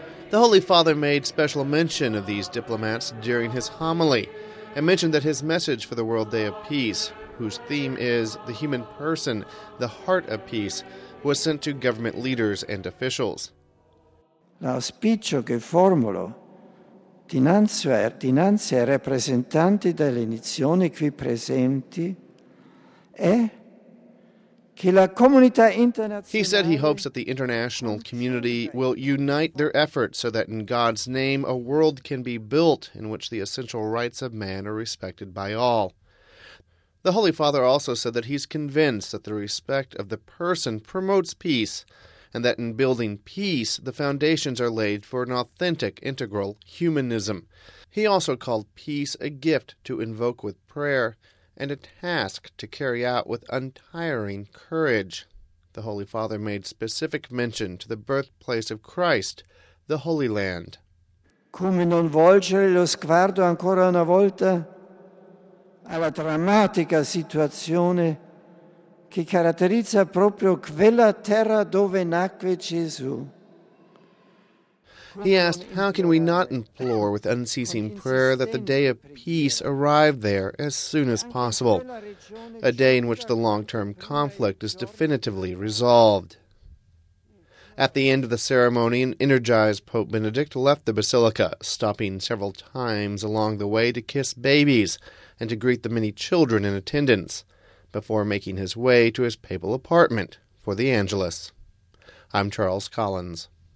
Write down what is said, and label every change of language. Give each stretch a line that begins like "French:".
English: The Holy Father made special mention of these diplomats during his homily and mentioned that his message for the World Day of Peace, whose theme is the human person, the heart of peace, was sent to government leaders and officials.
Italian: La speech che formulo. Dinanzi ai rappresentanti delle nazioni qui presenti è che la comunità internazionale.
English: He said he hopes that the international community will unite their efforts so that in God's name a world can be built in which the essential rights of man are respected by all. The Holy Father also said that he's convinced that the respect of the person promotes peace, and that in building peace, the foundations are laid for an authentic, integral humanism. He also called peace a gift to invoke with prayer and a task to carry out with untiring courage. The Holy Father made specific mention to the birthplace of Christ, the Holy Land.
Italian: Come non volgere lo sguardo ancora una volta alla drammatica situazione che caratterizza proprio quella terra dove nacque Gesù.
English: He asked, how can we not implore with unceasing prayer that the day of peace arrive there as soon as possible, a day in which the long-term conflict is definitively resolved? At the end of the ceremony, an energized Pope Benedict left the basilica, stopping several times along the way to kiss babies and to greet the many children in attendance, before making his way to his papal apartment for the Angelus. I'm Charles Collins.